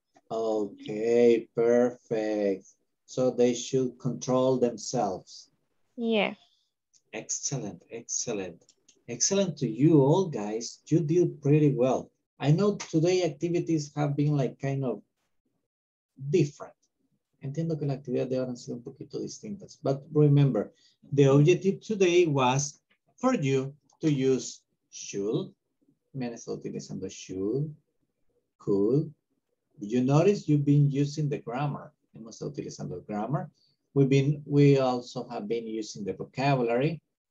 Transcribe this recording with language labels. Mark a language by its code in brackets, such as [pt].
[en] Okay, perfect. So they should control themselves. Yes. Excellent, excellent. Excellent to you all, guys. You did pretty well. I know today activities have been like kind of different. [es] Entiendo que la actividad de ahora ha sido un poquito distintas. [en] But remember, the objective today was for you to use should. [es] Me han estado utilizando [en] should, could. You notice you've been using the grammar. [es] Hemos estado utilizando el grammar. [en] We also have been using the vocabulary.